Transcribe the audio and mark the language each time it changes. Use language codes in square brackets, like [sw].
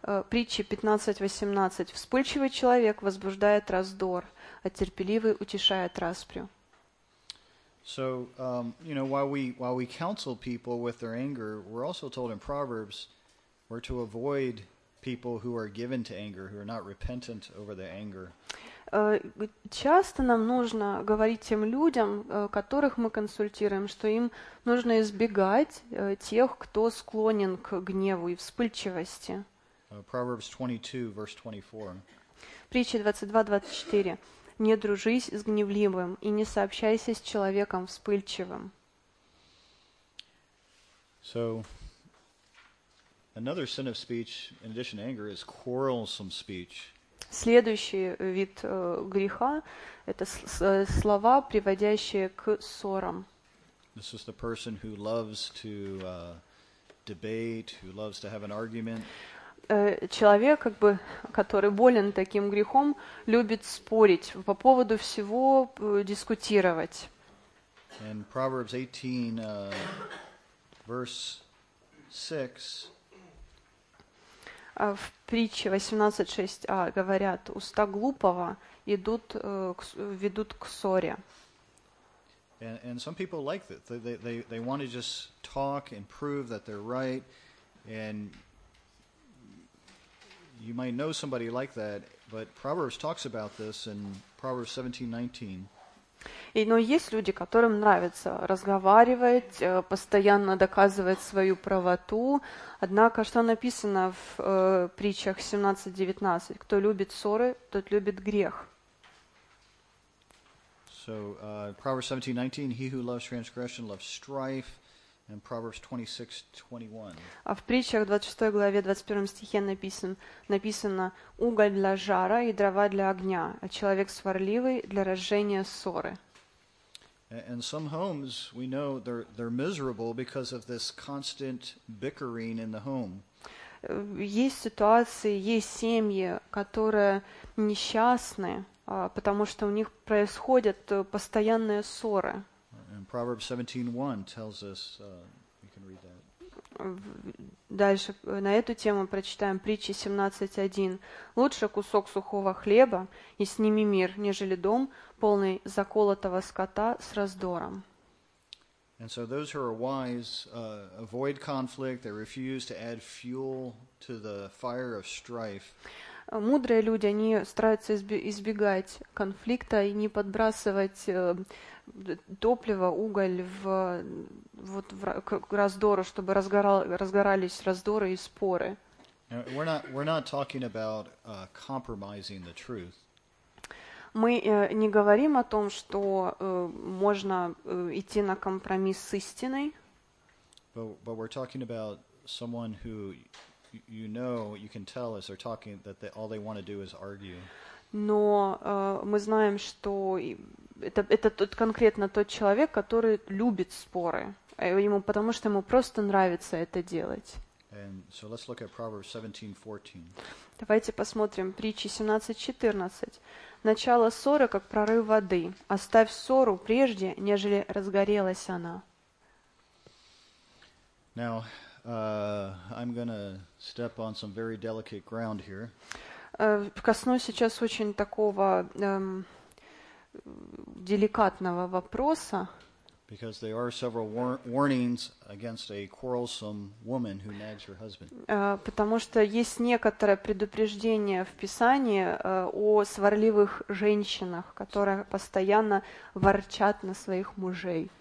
[ru] Притча 15:18. Вспыльчивый человек возбуждает раздор, а терпеливый утешает распрю. [en] So, you know, while we counsel people with their anger, we're also told in Proverbs we're to avoid people who are given to anger, who are not repentant over their anger. [ru] Часто нам нужно говорить тем людям, которых мы консультируем, что им нужно избегать тех, кто склонен к гневу и вспыльчивости. [en] Proverbs 22, verse 24. [ru] Притча 22:24. Не дружись с гневливым и не сообщайся с человеком вспыльчивым. [en] So, another sin of speech, in addition to anger, is quarrelsome speech. [ru] Следующий вид греха – это слова, приводящие к ссорам. [en] This is the person who loves to debate, who loves to have an argument. [ru] Человек, как бы, который болен таким грехом, любит спорить по поводу всего, дискутировать. [en] And Proverbs 18, verse 6. [ru] В притче 18:6 говорят, уста глупого идут, ведут к ссоре. [en] And some people like that. They want to just talk and prove that they're right. And you might know somebody like that, but Proverbs talks about this in Proverbs 17:19. [ru] Но есть люди, которым нравится разговаривать, постоянно доказывать свою правоту. Однако, что написано в притчах 17:19? Кто любит ссоры, тот любит грех. [en] So, Proverbs 17:19, he who loves transgression loves strife. And Proverbs 26:21. [ru] А в притчах 26 главе 21 стихе написано «Уголь для жара и дрова для огня, а человек сварливый для разжения ссоры». [en] And some homes, we know, they're miserable because of this constant bickering in the home. [ru] Есть ситуации, есть семьи, которые несчастны, потому что у них происходят постоянные ссоры. [en] And Proverbs 17:1 tells us, you can read that. [ru] Дальше, на эту тему прочитаем притчи 17:1. Лучше кусок сухого хлеба и с ними мир, нежели дом, полный заколотого скота с раздором. [en] And so those who are wise avoid conflict, they refuse to add fuel to the fire of strife. [ru] Мудрые люди, они стараются избегать конфликта и не подбрасывать топливо, уголь в раздоры, чтобы разгорались раздоры и споры. [en] We're not talking about compromising the truth. [ru] Мы не говорим о том, что можно идти на компромисс с истиной. [en] But we're talking about someone who you know, you can tell as they're talking that they, all they want to do is argue. [ru] Но мы знаем, что это тот конкретно тот человек, который любит споры. Ему, потому что ему просто нравится это делать. [en] And so let's look at Proverbs 17:14. [ru] Давайте посмотрим притчи 17:14. Начало ссоры, как прорыв воды. Оставь ссору прежде, нежели разгорелась она. [en] Now, I'm going to step on some very delicate ground here. [ru] Коснусь сейчас очень такого деликатного вопроса. [en] Because there are several warnings against a quarrelsome woman who nags her husband. [ru] Потому что есть некоторое предупреждение в Писании о сварливых женщинах, которые постоянно ворчат на своих мужей.